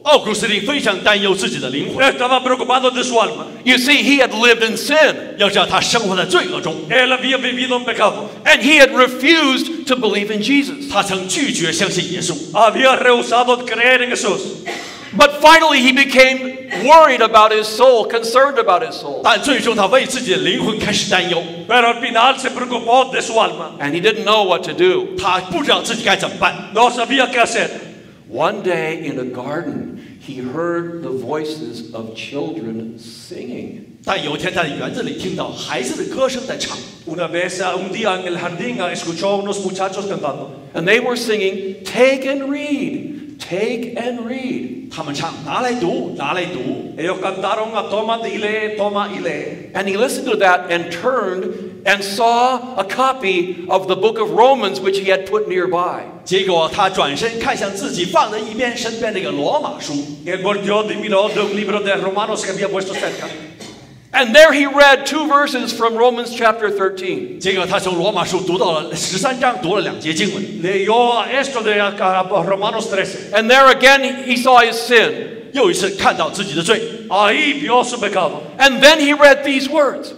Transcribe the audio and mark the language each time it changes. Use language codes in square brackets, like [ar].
[zh] 奥古斯丁非常担忧自己的灵魂。 [en] You see, he had lived in sin. [zh] 要知道他生活在罪恶中。 [es] Él había vivido en pecado. [en] And he had refused to believe in Jesus. [zh] 他曾拒绝相信耶稣。 [es] Había rehusado creer en Jesús. [en] But finally, he became worried about his soul, concerned about his soul. [zh] 但最终，他为自己的灵魂开始担忧。 [es] Pero al final se preocupó de su alma. [en] And he didn't know what to do. [zh] 他不知道自己该怎么办。 [es] No sabía qué hacer. [en] One day in a garden, he heard the voices of children singing. [zh] 但有一天在园子里听到孩子的歌声在唱。 [es] Una vez, un día en el jardín, escuchó unos muchachos cantando. [en] And they were singing, take and read, take and read. [zh] 他们唱，拿来读，拿来读。 [es] Ellos cantaron, toma y lee, toma y lee. [en] And he listened to that and turned and saw a copy of the book of Romans which he had put nearby. [zh] 结果他转身看向自己放在一边身边那个罗马书。 [es] Él volvió y miró de un libro de Romanos que había puesto cerca. [en] And there he read two verses from Romans chapter 13. [zh] 结果他从罗马书读到了13章，读了两节经文。 [es] Leyó esto de Romanos 13. [en] And there again he saw his sin. [zh] 又一次看到自己的罪。 [es] Ahí vio su pecado. [en] And then he read these words.